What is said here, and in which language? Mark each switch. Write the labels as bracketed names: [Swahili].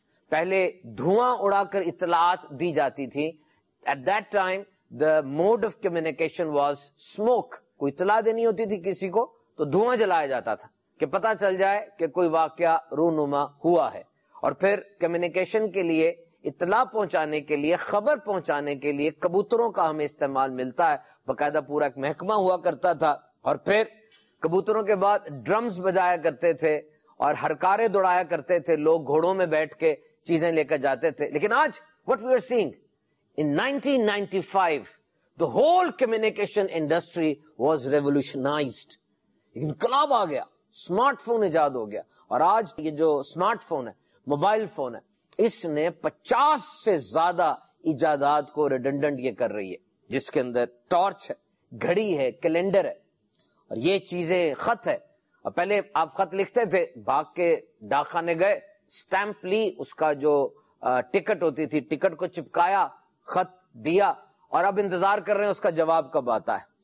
[Urdu] پہلے دھواں اڑا کر اطلاعات دی جاتی تھی، [English] at that time the mode of communication was smoke, [Urdu] کوئی اطلاع دینی ہوتی تھی کسی کو تو دھواں جلایا جاتا تھا کہ پتا چل جائے کہ کوئی واقعہ رونما ہوا ہے، اور پھر کمیونیکیشن کے لیے، اطلاع پہنچانے کے لیے، خبر پہنچانے کے لیے کبوتروں کا ہمیں استعمال ملتا ہے، باقاعدہ پورا ایک محکمہ ہوا کرتا تھا، اور پھر کبوتروں کے بعد ڈرمز بجایا کرتے تھے اور ہرکارے دوڑایا کرتے تھے، لوگ گھوڑوں میں بیٹھ کے چیزیں لے کر جاتے تھے. لیکن آج [English] what we are seeing in 1995 the whole communication industry was revolutionized. [Urdu] انقلاب آ گیا, اسمارٹ فون ایجاد ہو گیا. اور آج یہ جو اسمارٹ فون ہے, موبائل فون ہے, اس نے 50 سے زیادہ ایجادات کو ریڈنڈنٹ یہ کر رہی ہے, جس کے اندر ٹارچ ہے, گھڑی ہے, کیلنڈر ہے, اور یہ چیزیں خط ہے. اور پہلے آپ خط لکھتے تھے, بھاگ کے ڈاکخانے گئے, سٹیمپ لی, اس کا جو ٹکٹ ہوتی تھی ٹکٹ کو چپکایا, خط دیا, اور اب انتظار کر رہے ہیں اس کا جواب کب آتا ہے.